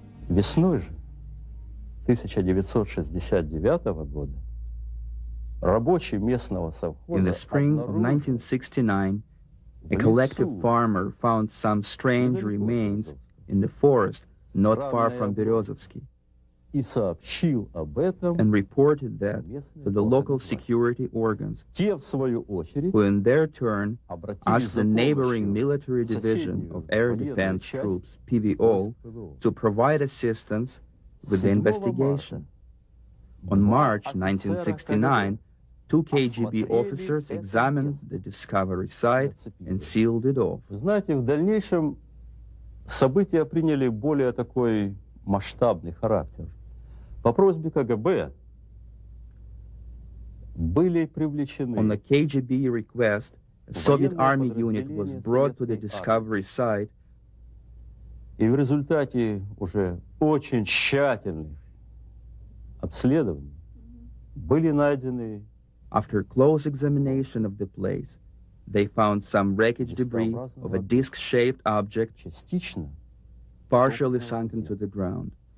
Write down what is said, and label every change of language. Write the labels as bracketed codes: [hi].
[ru] Весной же 1969 года рабочий местного совхоза. [en] In the spring of 1969, a collective farmer found some strange remains in the forest not far from Berezovsky and reported that to the local security organs, who in their turn asked the neighboring military division of air defense troops, PVO, to provide assistance with the investigation. On March 1969, two KGB officers examined the discovery site and sealed it off. [ru] Знаете, в дальнейшем события приняли более такой масштабный характер. По просьбе КГБ были привлечены. [en] On the KGB request, a Soviet army unit was brought to the discovery site. [ru] И в результате уже очень тщательных обследований были найдены. [en] After close examination of the place, they found some wreckage debris of a disc-shaped object partially sunk into the ground.